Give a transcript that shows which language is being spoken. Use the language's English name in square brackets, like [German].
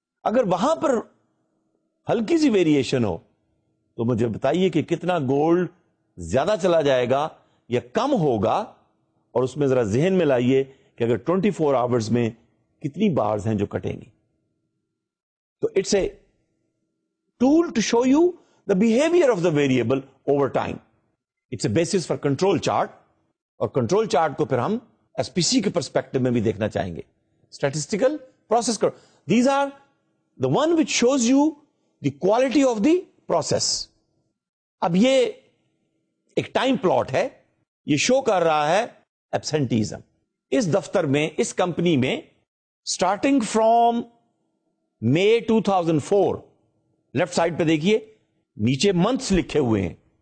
[Urdu] اگر وہاں پر ہلکی سی ویریشن ہو تو مجھے بتائیے کہ کتنا گولڈ زیادہ چلا جائے گا یا کم ہوگا. اور اس میں ذرا ذہن میں لائیے کہ اگر 24 آورز میں کتنی بارز ہیں جو کٹیں گی. [English] تو it's a tool to show you the behaviour of the variable over time. It's a basis for control chart, [Urdu] اور کنٹرول چارٹ کو پھر ہم ایس پی سی کے پرسپیکٹو میں بھی دیکھنا چاہیں گے. [English] Statistical process curve. These are the one which shows you the quality of the process. [Urdu] اب یہ ایک ٹائم پلاٹ ہے, یہ شو کر رہا ہے absenteeism. اس دفتر میں, اس کمپنی میں starting from May 2004, left side پہ دیکھیے نیچے months لکھے ہوئے ہیں.